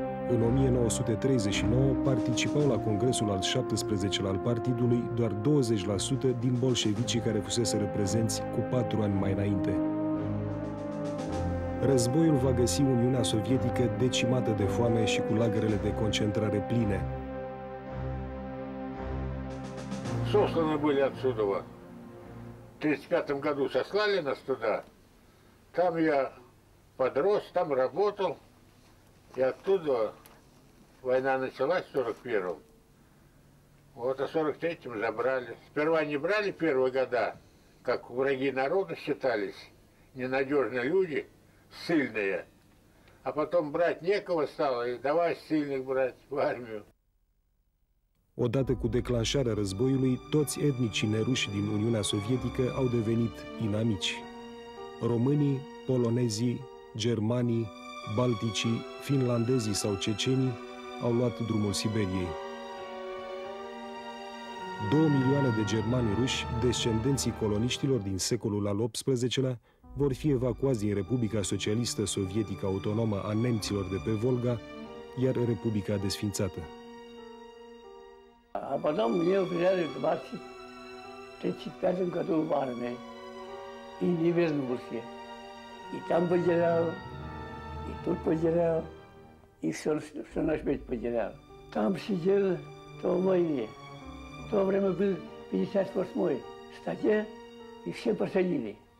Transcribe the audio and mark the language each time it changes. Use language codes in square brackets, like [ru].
[ro] În 1939 participau la congresul al 17-lea al partidului doar 20% din bolșevicii care fuseseră prezenți cu 4 ani mai înainte. Războiul va găsi Uniunea Sovietică decimată de foame și cu lagărele de concentrare pline. [ru] Сосланы были отсюда. В 35-м году сослали нас туда. Там я подрос, там работал. И оттуда война началась в 41-м. Вот, а в 43-м забрали. Сперва не брали первые года, как враги народа считались, ненадежные люди. Сильные. А потом брать некого стало, и давай сильных брать в армию. [ro] Odată cu declanșarea războiului, toți etnicii neruși din Uniunea Sovietică au devenit inamici. Românii, polonezii, germanii, balticii, finlandezii sau cecenii au luat drumul Siberiei. 2 milioane de germani ruși, descendenții coloniștilor din secolul al XVIII-lea, vor fi evacuați din Republica Socialistă Sovietică Autonomă a nemților de pe Volga, iar Republica desființată. [ru] А потом мне взяли 25 году в армии и не вернулся. И там потерял, и тут потерял, и все, все на свете потерял. Там сидел то в войне. В то время был 58-й статье, и все посадили.